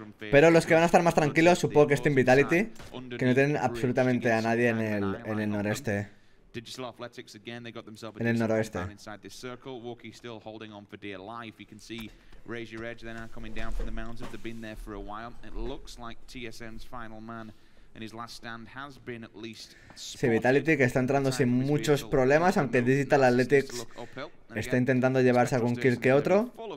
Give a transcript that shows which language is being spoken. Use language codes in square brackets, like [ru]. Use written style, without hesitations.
[es] Pero los que van a estar más tranquilos, supongo que es Team Vitality, que no tienen absolutamente a nadie en el noreste. [en] Digital Athletics again, they got themselves in the noroeste. Inside this circle, Wookie still holding on for dear life. You can see Razor Edge, they're now coming down from the mountains. They've been there for a while. It looks like TSM's final man and his last stand has been at least. [es] Sí, Vitality que está entrando sin muchos problemas, aunque Digital Athletics está intentando llevarse algún kill que otro.